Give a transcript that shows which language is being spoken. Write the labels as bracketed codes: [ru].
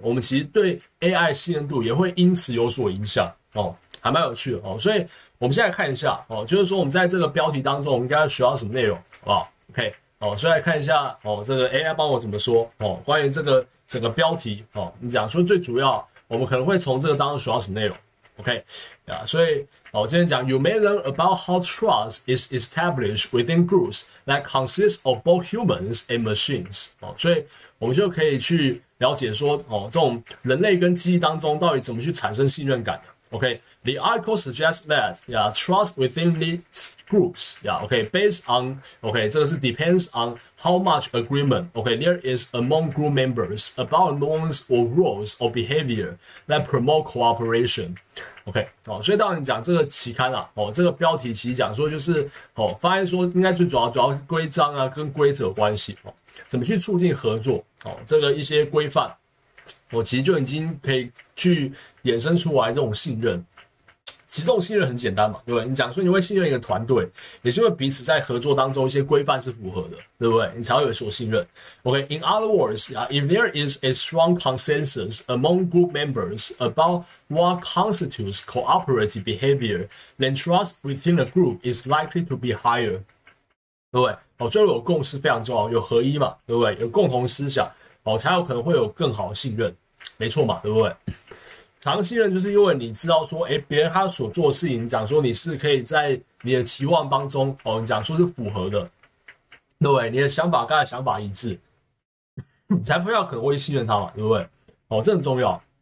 [zh] 我们其实对 AI 信任度也会因此有所影响哦，还蛮有趣的哦。所以我们现在看一下哦，就是说我们在这个标题当中，我们应该需要什么内容？好不好？OK 哦，所以来看一下哦，这个 AI 帮我怎么说哦？关于这个整个标题哦，你讲说最主要，我们可能会从这个当中学到什么内容？ [en] OK， [zh] 啊，所以我今天讲， [en] You may learn about how trust is established within groups that consist of both humans and machines。 [zh] 哦，所以我们就可以去了解说，哦，这种人类跟机器当中到底怎么去产生信任感的。 [en] OK，the article suggests that trust within these groups。 OK，based on，OK， [zh] 这个是 [en] depends on how much agreement。 OK，there is among group members about norms or rules or behavior that promote cooperation。 [zh] OK，哦，所以当你讲这个期刊啊，哦，这个标题其实讲说就是，哦，发现说应该最主要是规章啊跟规则关系哦，怎么去促进合作哦，这个一些规范，我其实就已经可以去衍生出来这种信任。其实这种信任很简单嘛，对不对？你讲说你会信任一个团队，也是因为彼此在合作当中一些规范是符合的，对不对？你才会有所信任。 [en] OK，in other words，if there is a strong consensus among group members about what constitutes cooperative behavior，then trust within the group is likely to be higher， [zh] 对不对？哦，最后有共识非常重要，有合一嘛，对不对？有共同思想，哦，才有可能会有更好的信任，没错嘛，对不对？长期信任就是因为你知道说，哎，别人他所做的事情，讲说你是可以在你的期望当中，哦，你讲说是符合的，对，你的想法跟他的想法一致，你才不要可能会信任他嘛，对不对？哦，这很重要。